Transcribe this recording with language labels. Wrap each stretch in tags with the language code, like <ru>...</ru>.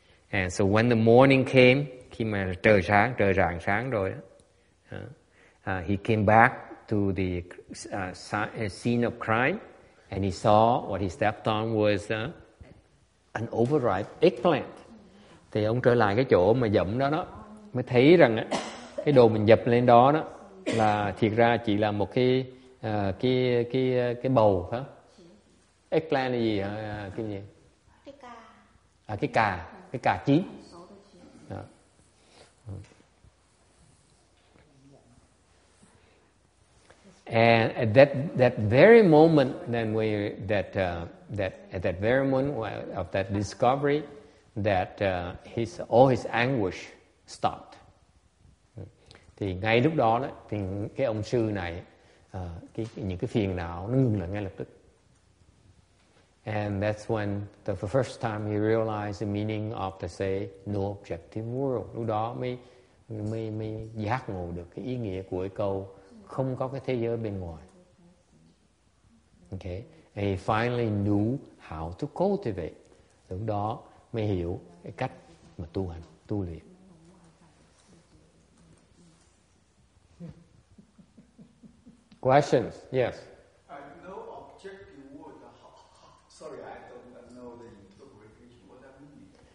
<en>And so when the morning came,</en> <vi>khi mà trời rạng sáng rồi,</vi> <en>he came back to the scene of crime, and he saw what he stepped on was an overripe eggplant.</en> <vi>Thì ông trở lại cái chỗ mà dẫm đó mới thấy rằng cái đồ mình dập lên đó là thiệt ra chỉ là một cái bầu hả? Eggplant là gì hả? Cái gì? Cái cà chín.</vi> <en>And at that very moment, then we at that very moment of that discovery, that all his anguish stopped.</en> <vi>Thì ngay lúc đó đó, thì cái ông sư này, những cái phiền não nó ngừng lại ngay lập tức.</vi> <en>And that's when the first time he realized the meaning of the say no objective world.</en> <vi>Lúc đó mới giác ngộ được cái ý nghĩa của cái câu không có cái thế giới bên ngoài.</vi> <en>Okay, and he finally knew how to cultivate.</en> <vi>Lúc đó mới hiểu cái cách mà tu hành, tu luyện.</vi> <en>Questions? Yes. No objective world. Sorry, I don't know the interpretation. What that means?</en>